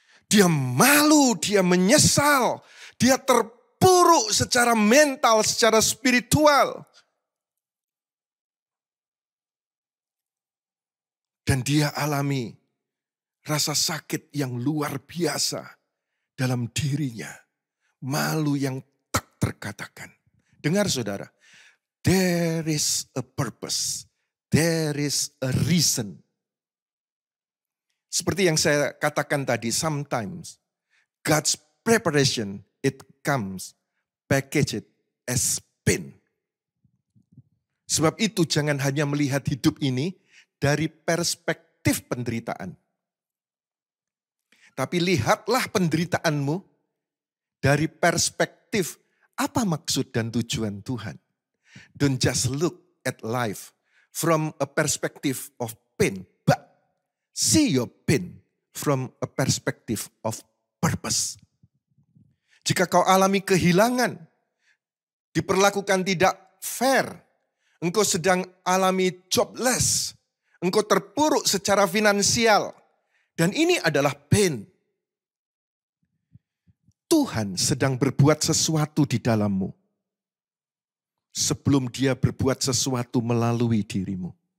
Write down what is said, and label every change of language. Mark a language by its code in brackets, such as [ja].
[id] Dia malu, dia menyesal, dia terpuruk secara mental, secara spiritual. Dan dia alami rasa sakit yang luar biasa dalam dirinya. Malu yang tak terkatakan. Dengar saudara, [en] there is a purpose, there is a reason. [id] Seperti yang saya katakan tadi, [en] sometimes God's preparation, it comes packaged as pain. [id] Sebab itu jangan hanya melihat hidup ini dari perspektif penderitaan. Tapi lihatlah penderitaanmu dari perspektif apa maksud dan tujuan Tuhan. [en] Don't just look at life from a perspective of pain, but see your pain from a perspective of purpose. [id] Jika kau alami kehilangan, diperlakukan tidak fair, engkau sedang alami jobless, engkau terpuruk secara finansial, dan ini adalah pain. Tuhan sedang berbuat sesuatu di dalammu sebelum dia berbuat sesuatu melalui dirimu.